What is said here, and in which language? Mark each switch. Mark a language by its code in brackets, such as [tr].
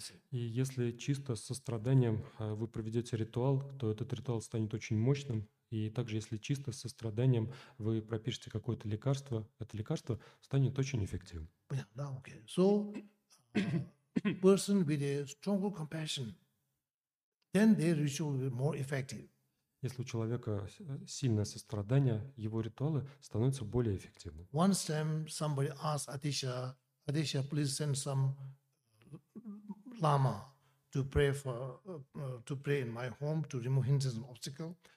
[ru] И если чисто с состраданием вы проведете ритуал, то этот ритуал станет очень мощным. И также, если чисто с состраданием вы пропишете какое-то лекарство, это лекарство станет очень эффективным. Да, okay. [en] So, person with a stronger compassion, then their ritual will be more effective. [ru] Если у человека сильное сострадание, его ритуалы становятся более эффективными. [en] One time somebody asked Atisha, Atisha, please send some lama to pray for to pray in my home to remove hindrance obstacle.